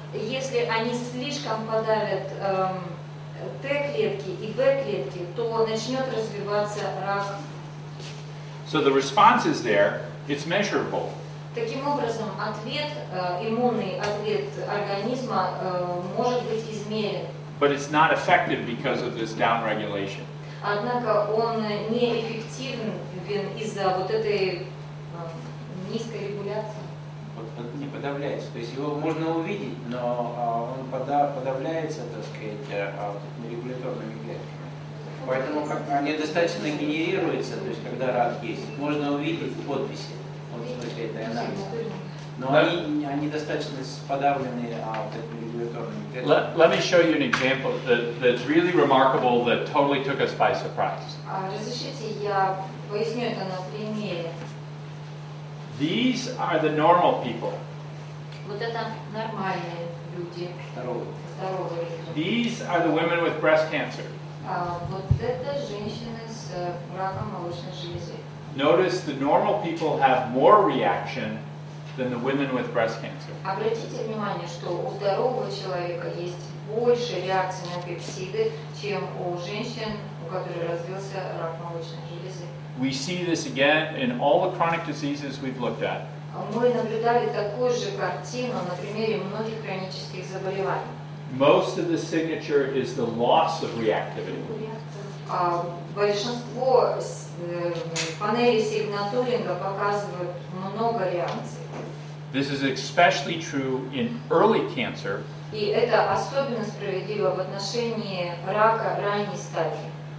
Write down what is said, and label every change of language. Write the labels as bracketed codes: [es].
[ru] Если они слишком подавят Т клетки и Б клетки, то начнет развиваться рак. [en] So the response is there; it's measurable. [ru] Таким образом, ответ иммунный ответ организма может быть измерен. [en] But it's not effective because of this downregulation. [ru] Однако он неэффективен из-за вот этой низкая регуляция. Не подавляется. То есть его можно увидеть, но он подавляется, так сказать, регуляторными клетками. Поэтому как они достаточно генерируются, то есть когда рак есть, можно увидеть в подписи. Вот смотрите, это анализ. Но они достаточно подавлены регуляторными клетками. [en] Let me show you an example that's really remarkable that totally took us by surprise. [ru] Разрешите, я поясню это на примере. [en] These are the normal people. [ru] Вот это нормальные люди. Здоровые. [en] These are the women with breast cancer. [ru] Вот это женщины с раком молочной железы. [en] Notice the normal people have more reaction than the women with breast cancer. [ru] Обратите внимание, что у здорового человека есть больше реакции на пептиды, чем у женщин, у которых развился рак молочной железы. [en] We see this again in all the chronic diseases we've looked at. [ru] Мы наблюдали такую же картину на примере многих хронических заболеваний. [en] Most of the signature is the loss of reactivity. [ru] Большинство панелей сигнатуринга показывают много реакций. [en] This is especially true in early cancer. [ru] И это особенно справедливо в отношении рака ранней стадии.